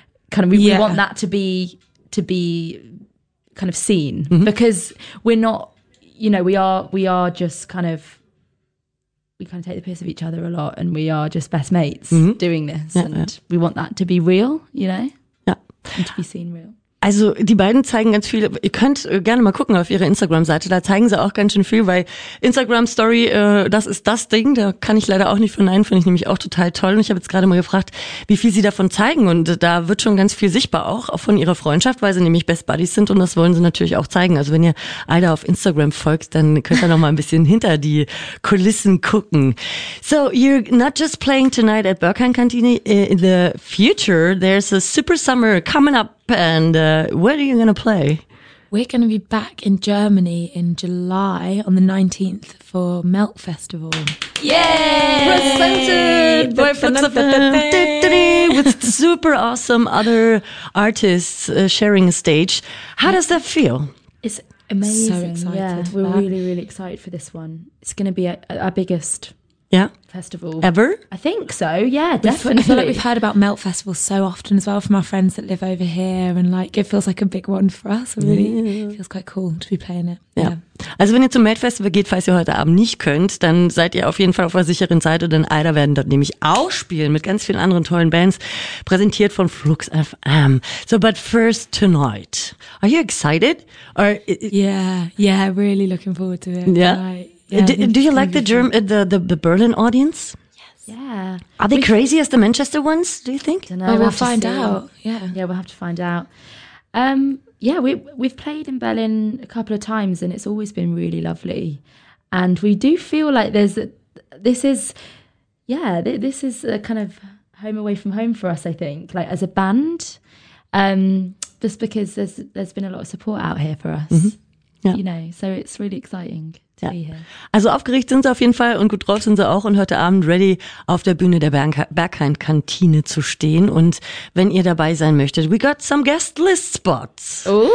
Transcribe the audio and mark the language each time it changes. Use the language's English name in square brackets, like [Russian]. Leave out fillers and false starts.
[English] Kind of, we want that to be kind of seen, mm-hmm. because we're not. You know, we are just kind of, we kind of take the piss of each other a lot, and we are just best mates mm-hmm. doing this. We want that to be real, you know? Yeah. And to be seen real. [German] Also die beiden zeigen ganz viel, ihr könnt gerne mal gucken auf ihre Instagram-Seite, da zeigen sie auch ganz schön viel, weil Instagram-Story, das ist das Ding, da kann ich leider auch nicht verneinen, finde ich nämlich auch total toll. Und ich habe jetzt gerade mal gefragt, wie viel sie davon zeigen, und da wird schon ganz viel sichtbar auch von ihrer Freundschaft, weil sie nämlich Best Buddies sind und das wollen sie natürlich auch zeigen. Also wenn ihr Aida auf Instagram folgt, dann könnt ihr noch mal ein bisschen hinter die Kulissen gucken. [English] So you're not just playing tonight at Burkhahn Kantine, in the future there's a super summer coming up. And where are you going to play? We're going to be back in Germany in July on the 19th for Melt Festival. Yay! Presented by Fritz FM. With super awesome other artists sharing a stage. How does that feel? It's amazing. So excited. Yeah, we're really, really excited for this one. It's going to be our biggest festival ever. I think so, yeah, definitely. I feel like we've heard about Melt Festival so often as well from our friends that live over here, and like it feels like a big one for us. It really feels quite cool to be playing it. [German] Also wenn ihr zum Melt Festival geht, falls ihr heute Abend nicht könnt, dann seid ihr auf jeden Fall auf der sicheren Seite, denn Aida werden dort nämlich auch spielen mit ganz vielen anderen tollen Bands, präsentiert von Flux FM. [English] So, but first tonight, are you excited? Or yeah, really looking forward to it. Yeah. Do you like the Berlin audience? Yes. Yeah. Are they crazy as the Manchester ones, do you think? I don't know. We'll find out. Yeah, we'll have to find out. We've played in Berlin a couple of times and it's always been really lovely. And we do feel like this is a kind of home away from home for us, I think, like as a band. Just because there's been a lot of support out here for us. Mm-hmm. Yeah. You know, so it's really exciting. [German] Also aufgeregt sind sie auf jeden Fall und gut drauf sind sie auch und heute Abend ready auf der Bühne der Berghain-Kantine zu stehen. Und wenn ihr dabei sein möchtet, [English] we got some guest list spots.